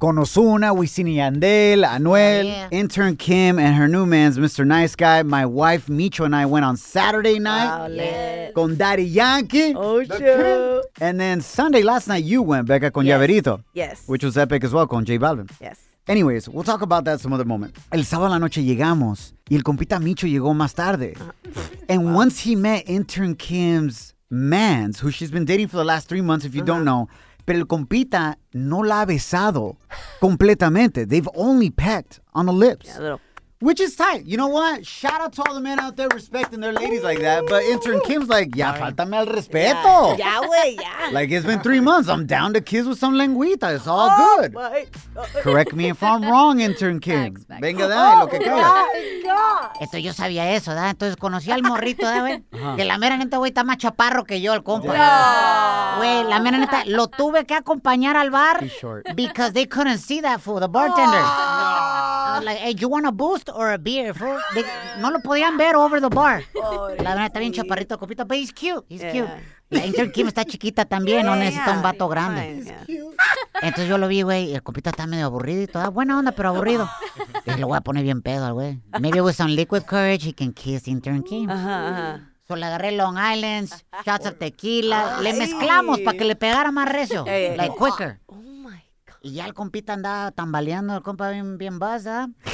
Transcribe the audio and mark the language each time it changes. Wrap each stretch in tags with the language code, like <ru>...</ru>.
<en>Con Ozuna, Wisin y Yandel, Anuel, intern Kim, and her new man's Mr. Nice Guy. My wife, Micho, and I went on Saturday night.</en> <es>Con Daddy Yankee.</es> <en>Oh, shit. And then Sunday, last night, you went, Becca, con Llaverito. Yes. Which was epic as well, con J Balvin. Yes. Anyways, we'll talk about that some other moment.</en> <es>El sábado a la noche llegamos y el compita Micho llegó más tarde.</es> <en>And once he met intern Kim's mans, who she's been dating for the last 3 months, if you don't know,</en> <es>pero el compita no la ha besado completamente.</es> <en>They've only pecked on the lips. Yeah, a little. Which is tight. You know what? Shout out to all the men out there respecting their ladies like that. But intern Kim's like,</en> <es>ya faltame al respeto. Ya, güey, ya.</es> <en>Like, it's been 3 months. I'm down to kiss with some lengüita. It's all good. Correct me if I'm wrong, intern Kim.</en> <es>Venga, da, lo que quiera. Esto yo sabía eso, ¿verdad? Entonces conocí al morrito, ¿verdad, güey? Que la mera neta, güey, está más chaparro que yo, el compa. Güey, la mera neta, lo tuve que acompañar al bar.</es> <en>He's short. Because they couldn't see that fool, the bartender. No. like, hey, you want a boost or a beer, fool?</en> <es>They, no lo podían ver</es> <en>over the bar.</en> <es>La verdad, está bien chaparrito, copita,</es> <en>but he's cute. He's cute.</en> <es>La Intern Kim está chiquita también, no necesita un vato grande. Entonces yo lo vi, güey, y el copita está medio aburrido y todo. Buena onda, pero aburrido. Y lo voy a poner bien pedo al güey.</es> <en>Maybe with some liquid courage he can kiss Intern Kim.</en> <es>So le agarré Long Island,</es> <en>shots of tequila.</en> <es>Le mezclamos para que le pegara más recio.</es> <en>Like quicker.</en> <es>Y ya el compita andaba tambaleando, el compa bien, bien basa.</es>